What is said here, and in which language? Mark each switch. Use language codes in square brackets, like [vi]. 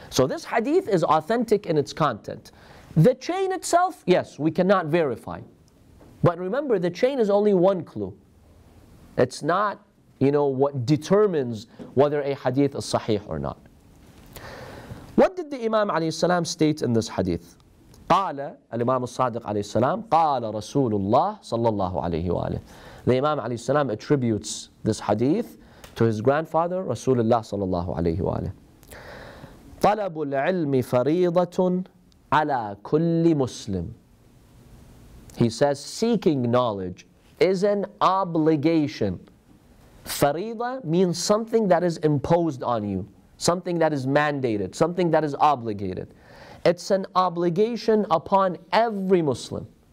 [en] So this hadith is authentic in its content. The chain itself, yes, we cannot verify. But remember, the chain is only one clue. It's not, you know, what determines whether a hadith is sahih or not. What did the Imam alayhi salam state in this hadith? [ar] قال الإمام الصادق عليه السلام قال رسول الله صلى الله عليه وآله. [en] The Imam alayhi salam attributes this hadith to his grandfather Rasulullah [ar] صلى الله عليه وآله. طلب العلم فريضة على كل مسلم. [en] He says seeking knowledge is an obligation. Fariḍa means something that is imposed on you, something that is mandated, something that is obligated. It's an obligation upon every Muslim.